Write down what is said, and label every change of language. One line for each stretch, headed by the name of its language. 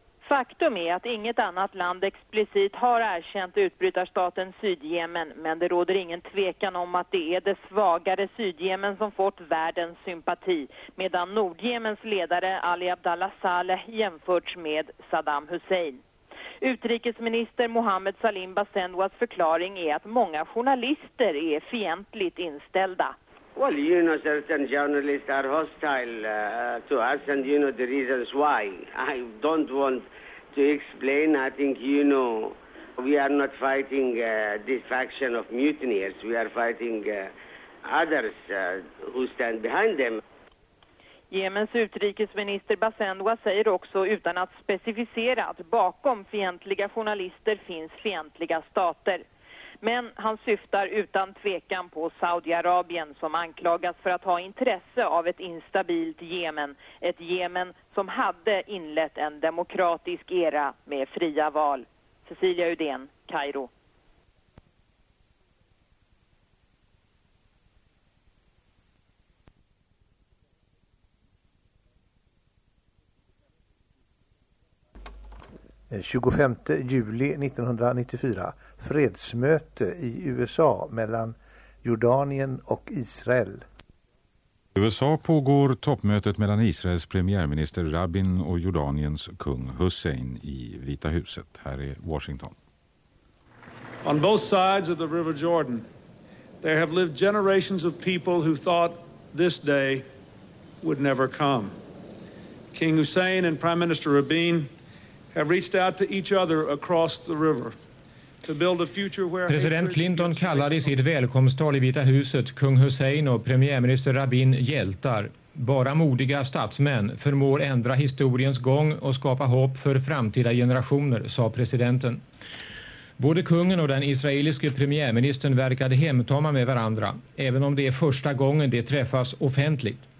Swedish: Faktum är att inget annat land explicit har erkänt utbrytarstaten Sydjemen, men det råder ingen tvekan om att det är det svagare Sydjemen som fått världens sympati, medan Nordjemens ledare Ali Abdallah Saleh jämförts med Saddam Hussein. Utrikesminister Mohammed Salim Bassendoas förklaring är att många journalister är fientligt inställda.
English: Well, you know, certain journalists are hostile to us, and you know the reasons why. I don't want to explain. I think, you know, we are not fighting this faction of mutineers. We are fighting others who stand behind them.
Swedish: Jemens utrikesminister Bassendoa säger också, utan att specificera, att bakom fientliga journalister finns fientliga stater. Men han syftar utan tvekan på Saudiarabien som anklagas för att ha intresse av ett instabilt Jemen. Ett Jemen som hade inlett en demokratisk era med fria val. Cecilia Udén, Kairo. Den 25 juli 1994, fredsmöte i USA mellan Jordanien och Israel. I USA pågår toppmötet mellan Israels premiärminister Rabin och Jordaniens kung Hussein i Vita huset. Här är Washington.
English: On both sides of the River Jordan, there have lived generations of people who thought this day would never come. King Hussein and Prime Minister Rabin have reached out to each other across the river to build a future where...
Swedish: President Clinton kallade i sitt välkomsttal i Vita huset kung Hussein och premiärminister Rabin hjältar. Bara modiga statsmän förmår ändra historiens gång och skapa hopp för framtida generationer, sa presidenten. Både kungen och den israeliske premiärministern verkade hemtama med varandra, även om det är första gången de träffas offentligt.